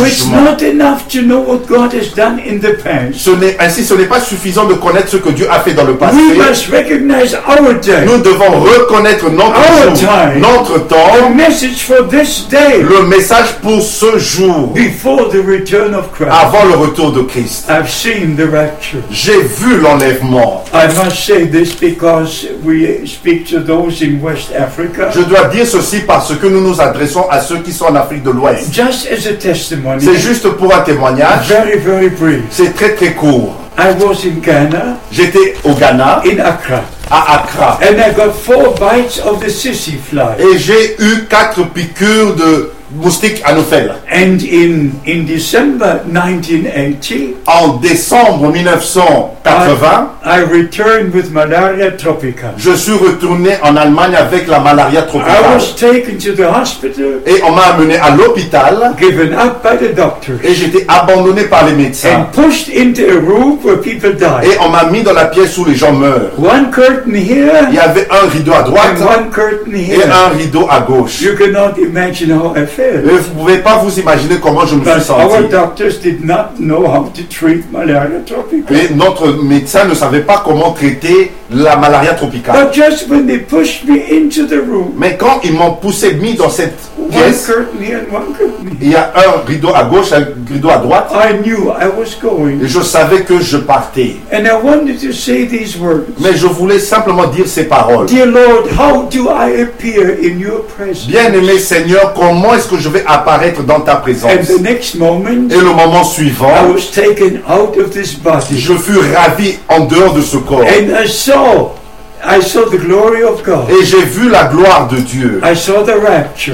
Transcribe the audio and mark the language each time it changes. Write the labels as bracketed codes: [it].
[en] So it's not enough to know what God has done in the past. [fr] Ce n'est pas suffisant de connaître ce que Dieu a fait dans le passé. [en] We must recognize our day. [fr] Nous devons reconnaître notre [en] our [fr] jour, [en] time, [fr] notre temps, [en] the message for this day, [fr] le message pour ce jour, [en] before the return of Christ, [fr] avant le retour de Christ. [en] I've seen the rapture. [fr] J'ai vu l'enlèvement. [en] I must say this because we speak to those in West Africa. [fr] Je je dois dire ceci parce que nous nous adressons à ceux qui sont en Afrique de l'Ouest. [en] Just as a testimony, [fr] c'est juste pour un témoignage. [en] Very, very brief. [fr] C'est très, très court. [en] I was in Ghana, [fr] j'étais au Ghana, [en] in Accra, [fr] à Accra. [en] And I got four bites of the sissy fly. [fr] Et j'ai eu quatre piqûres de moustique anophèle. [en] And in December 1980, [fr] en décembre 1980, [en] I returned with malaria tropicale. [fr] Je suis retourné en Allemagne avec la malaria tropicale. [en] I was taken to the hospital, [fr] et on m'a amené à l'hôpital, [en] given up by the doctors, [fr] et j'étais abandonné par les médecins, [en] and pushed into a room where people die. [fr] Et on m'a mis dans la pièce où les gens meurent. [en] One curtain here, [fr] il y avait un rideau à droite, [en] and one curtain here, [fr] et un rideau à gauche. [en] You cannot imagine how I felt. [fr] Mais vous ne pouvez pas vous imaginer comment je me [en] but [fr] suis senti. [en] Our doctors did not know how to treat malaria tropicale. [fr] Mais notre médecin ne savait pas comment traiter la malaria tropicale. [en] But just when they pushed me into the room, [fr] mais quand ils m'ont poussé, mis dans cette pièce, il y a un rideau à gauche, un rideau à droite, [en] I knew I was going. [fr] Et je savais que je partais. [en] And I wanted to say these words. [fr] Mais je voulais simplement dire ces paroles. [en] Dear Lord, how do I appear in your presence? [fr] Bien-aimé Seigneur, comment est-ce que je vais apparaître dans ta présence? [en] And the next moment, [fr] et le moment suivant, [en] I was taken out of this body. [fr] Je fus ravi en dehors de ce corps. [en] And I saw the glory of God. [fr] Et j'ai vu la gloire de Dieu. [en] I saw the rapture.